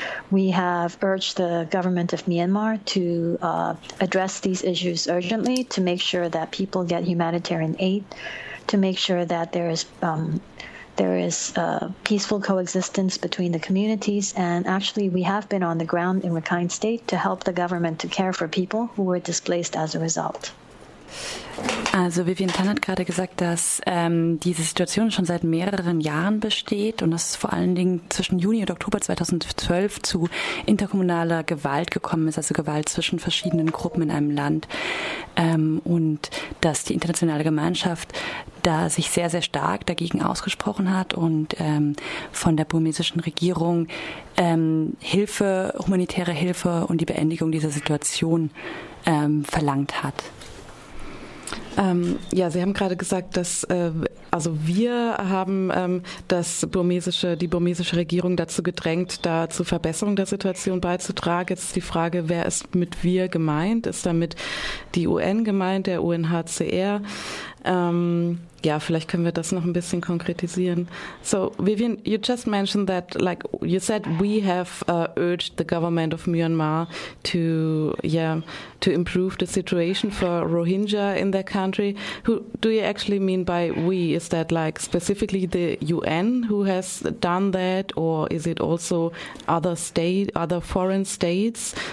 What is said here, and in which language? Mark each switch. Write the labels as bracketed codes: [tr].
[en] We have urged the government of Myanmar to address these issues urgently, to make sure that people get humanitarian aid, to make sure that there is peaceful coexistence between the communities. And actually, we have been on the ground in Rakhine State to help the government to care for people who were displaced as a result. [de] Also Vivian Tan hat gerade gesagt, dass diese Situation schon seit mehreren Jahren besteht und dass es vor allen Dingen zwischen Juni und Oktober 2012 zu interkommunaler Gewalt gekommen ist, also Gewalt zwischen verschiedenen Gruppen in einem Land, und dass die internationale Gemeinschaft da sich sehr, sehr stark dagegen ausgesprochen hat und von der burmesischen Regierung Hilfe, humanitäre Hilfe und die Beendigung dieser Situation verlangt hat. Ja, Sie haben gerade gesagt, dass also wir haben die burmesische Regierung dazu gedrängt, da zur Verbesserung der Situation beizutragen. Jetzt ist die Frage, wer ist mit wir gemeint? Ist damit die UN gemeint, der UNHCR? Ja, vielleicht können wir das noch ein bisschen konkretisieren. [en] So, Vivian, you just mentioned that, like you said, we have urged the government of Myanmar to improve the situation for Rohingya in their country. Who do you actually mean by we? Is that like specifically the UN who has done that, or is it also other foreign states?